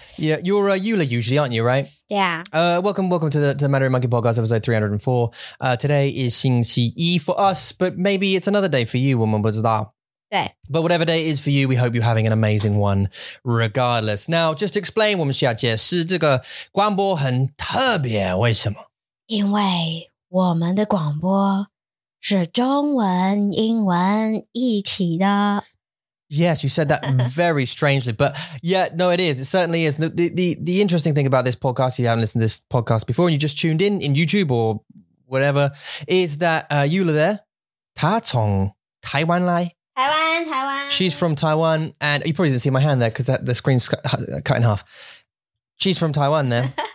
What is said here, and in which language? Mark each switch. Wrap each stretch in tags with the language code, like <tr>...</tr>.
<en>Yeah, you're a Eula usually, aren't you, right? Yeah. Welcome to the Mandarin Monkey Podcast episode 304. Today is 星期一 for us, but maybe it's another day for you,</en> <zh>我们不知道。对。</zh> <en>But whatever day it is for you, we hope you're having an amazing one regardless. Now, just to explain,</en> <zh>我们需要解释这个广播很特别，为什么？因为我们的广播是中文、英文一起的。</zh> <en>Yes, you said that very strangely, but yeah, no, it is. It certainly is. The interesting thing about this podcast, if you haven't listened to this podcast before and you just tuned in YouTube or whatever, is that Eula there,</en> <zh>她从台湾来。台湾。</zh> <en>She's from Taiwan, and you probably didn't see my hand there because the screen's cut in half. She's from Taiwan there.</en>